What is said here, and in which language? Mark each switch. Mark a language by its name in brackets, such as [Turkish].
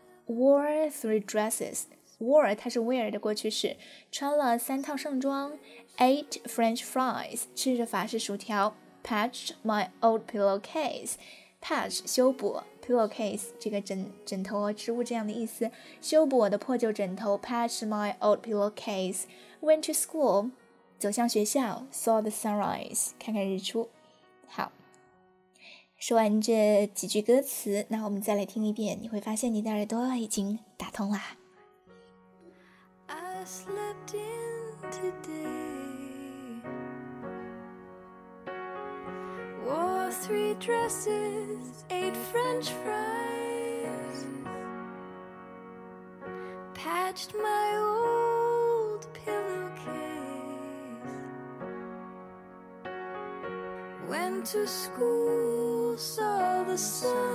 [English] wore three dresses， [Chinese] wore 它是 wear 的过去式，穿了三套盛装。 [English] ate french fries， [Chinese] 吃着法式薯条。 [English] Patched my old pillowcase， [Chinese] patch 修补， pillowcase 这个 枕头织物这样的意思，修补我的破旧枕头。 [English] Patched my old pillowcase。 Went to school， [Chinese] 走向学校。 [English] Saw the sunrise， [Chinese] 看看日出。好，说完这几句歌词，那我们再来听一遍，你会发现你的耳朵已经打通啦。 [English] I slept in todayThree dresses, ate French fries, patched my old pillowcase, went to school, saw the sunrise.